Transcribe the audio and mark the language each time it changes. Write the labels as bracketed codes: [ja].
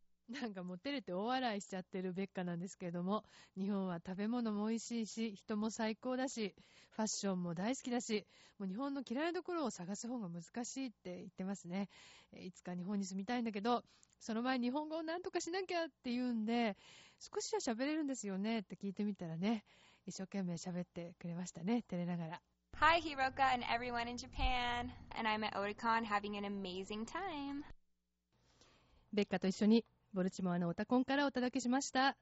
[ja] なんかもう照れて大笑いしちゃってるベッカなんですけれども、日本は食べ物も美味しいし、人も最高だし、ファッションも大好きだし、もう日本の嫌いなところを探す方が難しいって言ってますね。いつか日本に住みたいんだけど、その前日本語を何とかしなきゃって言うんで、少しは喋れるんですよねって聞いてみたらね、一生懸命喋ってくれましたね、照れながら。 [en] Hi, Hiroka and everyone in Japan. And I'm at Otakon having an amazing time. [ja] ベッカと一緒にボルチモアのオタコンからお届けしました。